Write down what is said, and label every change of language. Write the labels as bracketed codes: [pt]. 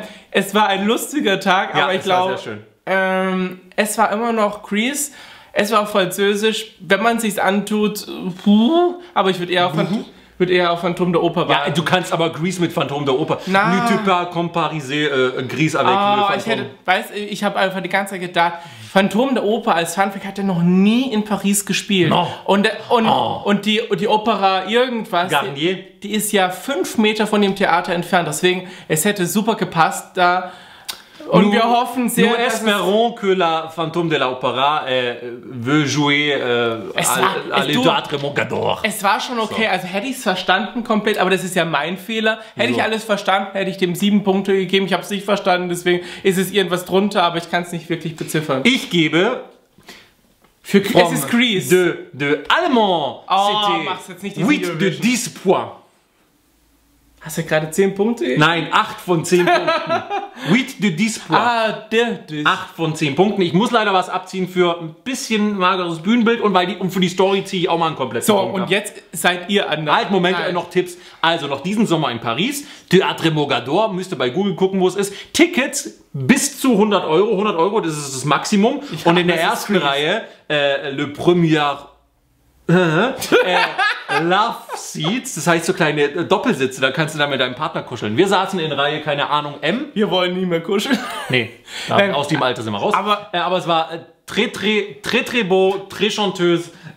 [de] Es war ein lustiger Tag, aber ich glaube, es war immer noch Grease. Es war auf Französisch. Wenn man es sich antut, aber ich würde eher auf Französisch. Wird eher auf Phantom der Oper warten. Ja, du kannst aber Grease mit Phantom der Oper. Nein. [fr] Ne tu pas comparise Grease avec Phantom. [de] Ich habe einfach die ganze Zeit gedacht, Phantom der Oper als Funfic hat er noch nie in Paris gespielt. No. Und die Opera irgendwas, Garnier, die ist ja 5 Meter von dem Theater entfernt. Deswegen, es hätte super gepasst da. Und wir hoffen sehr, dass... [fr] Nous espérons que la Phantom de l'Opéra veut jouer à l'Étoile Mont Gador. [de] Es war schon okay, so. Also hätte ich es verstanden komplett, aber das ist ja mein Fehler. Hätte ich alles verstanden, hätte ich dem 7 Punkte gegeben. Ich habe es nicht verstanden, deswegen ist es irgendwas drunter, aber ich kann es nicht wirklich beziffern. Ich gebe... Für es ist Grease. [fr] De Allemand. [de] Oh, [fr] c'était [de] mach's jetzt nicht. [fr] 8 de 10 points. [de] Hast du gerade 10 Punkte? Nein, 8 von 10 Punkten. [fr] 8 de 10 [de] Punkten. 8 von 10 Punkten. Ich muss leider was abziehen für ein bisschen mageres Bühnenbild und für die Story ziehe ich auch mal einen kompletten Punkt. So, und jetzt seid ihr an der... Halt, Moment, noch Tipps. Also, noch diesen Sommer in Paris. Théâtre Mogador, müsst ihr bei Google gucken, wo es ist. Tickets bis zu 100 Euro. 100 Euro, das ist das Maximum. Und in der ersten Reihe, [fr] Le Premier... [de] Love Seats, das heißt so kleine Doppelsitze, da kannst du dann mit deinem Partner kuscheln. Wir saßen in Reihe, keine Ahnung, M. Wir wollen nie mehr kuscheln. Nee, aus dem Alter sind wir raus. Aber es war [fr] très beau, très chanteuse,